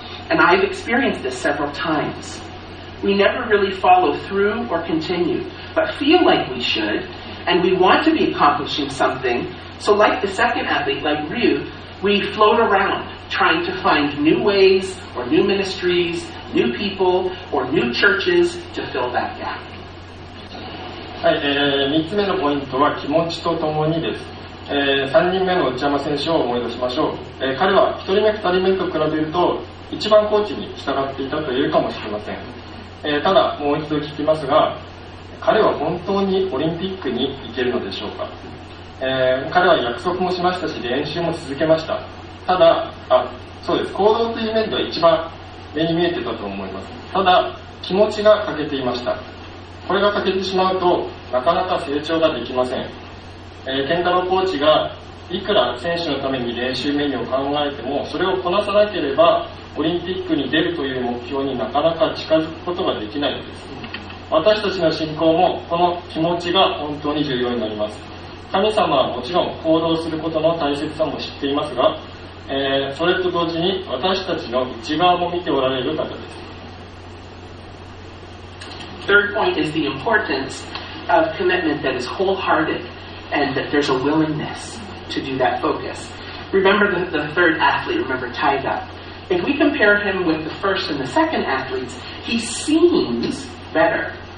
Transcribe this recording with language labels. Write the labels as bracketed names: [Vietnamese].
[English] And I've experienced this several times. We never really follow through or continue, but feel like we should, and we want to be accomplishing something. So like the second athlete, like Ryu, we float around trying to find new ways or new ministries, new people or new churches to fill that gap. [Japanese] はい、3つ目のポイントは気持ちとともにです。 3人目の内山選手を思い出しましょう。彼は1人目、2人目と比べると一番コーチに従っていたというかもしれません。ただもう一度聞きますが、彼は本当にオリンピックに行けるのでしょうか。彼は約束もしましたし練習も続けました。ただそうです、行動という面では一番目に見えてたと思います。ただ気持ちが欠けていました。これが欠けてしまうとなかなか成長ができません。健太郎コーチがいくら選手のために練習メニューを考えても、それをこなさなければオリンピックに出るという目標になかなか近づくことができないんです。私たちの信仰もこの気持ちが本当に重要になります。神様はもちろん行動することの大切さも知っていますが、それと同時に私たちの内側も見ておられる方です。 [English] Third point is the importance of commitment that is wholehearted and that there's a willingness to do that focus. Remember the third athlete, remember Taiga. If we compare him with the first and the second athletes, he seems better.